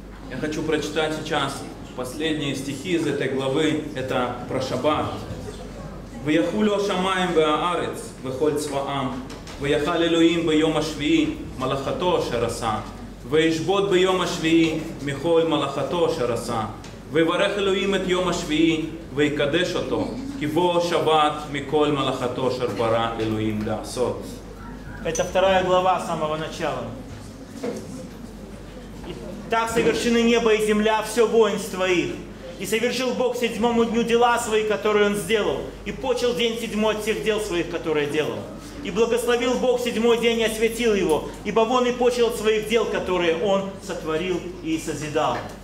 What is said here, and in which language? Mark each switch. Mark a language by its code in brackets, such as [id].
[ru] Я хочу прочитать сейчас последние стихи из этой главы. Это про шаббат. [he] «Ваяхулю ашамаем ваарец, вихоль цваам, ваяхал Элоим ваём ашвии, малахато ашараса». וישבות ביום השביעי מכל מלאכתו אשר עשה, ויברך אלוהים את יום השביעי ויקדש אותו, כי בו שבת מכל מלאכתו אשר ברא אלוהים לעשות. [ru] Это вторая глава самого начала. И так совершены небо и земля, все воинство их. И совершил Бог седьмому дню дела свои, которые он сделал, и почил день седьмой от всех дел своих, которые делал. И благословил Бог седьмой день и освятил его, ибо вон и почил от своих дел, которые он сотворил и созидал.